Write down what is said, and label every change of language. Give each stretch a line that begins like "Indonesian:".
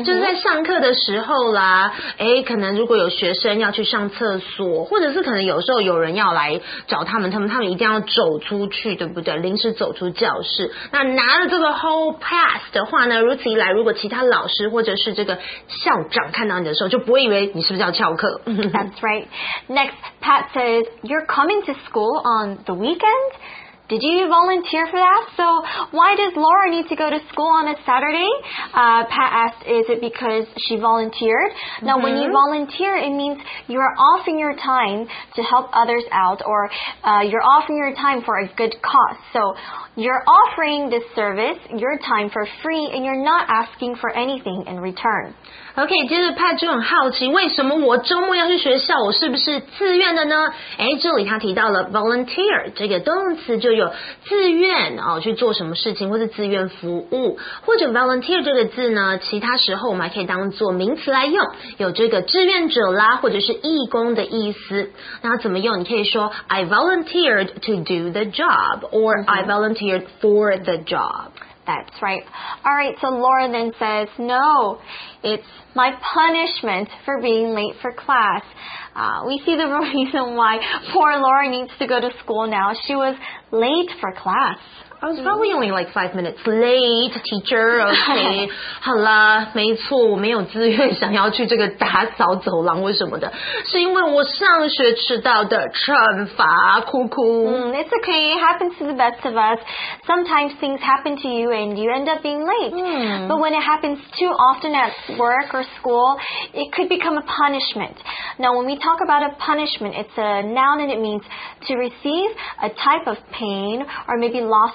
Chinese: 就是在上课的时候啦，哎，可能如果有学生要去上厕所，或者是可能有时候有人要来找他们一定要走出去，对不对？临时走出教室，那拿了这个 hall pass 的话呢，如此一来，如果其他老师或者是这个校长看到你的时候，就不会以为你是不是要翘课。
English: That's right. Next, Pat says, "You're coming to school on the weekend." Did you volunteer for that? So why does Laura need to go to school on a Saturday? Pat asked, is it because she volunteered? Now, when you volunteer, it means you're offering your time to help others out, or you're offering your time for a good cause. So you're offering this service, your time for free, and you're not asking for anything in return.
Chinese: OK, 接着 Pat 就很好奇，为什么我周末要去学校，我是不是自愿的呢？哎，这里他提到了 volunteer 这个动词，就有自愿哦，去做什么事情，或是自愿服务，或者 volunteer 这个字呢，其他时候我们还可以当做名词来用，有这个志愿者啦，或者是义工的意思。那怎么用？你可以说
English: I volunteered to do the job, or I volunteered for the job. That's right. All right, so Laura then says, no, it's my punishment for being late for class. We see the reason why poor Laura needs to go to school now. She was late for class. I was probably only like 5 minutes late, teacher.
Chinese: Okay, 好啦，没错，我没有自愿想要去这个打扫走廊，为什么的？是因为我上学迟到的惩罚，哭哭。
English: It's okay, it happens to the best of us. Sometimes things happen to you and you end up being late. But when it happens too often at work or school, it could become a punishment. Now, when we talk about a punishment, it's a noun and it means to receive a type of pain or maybe loss.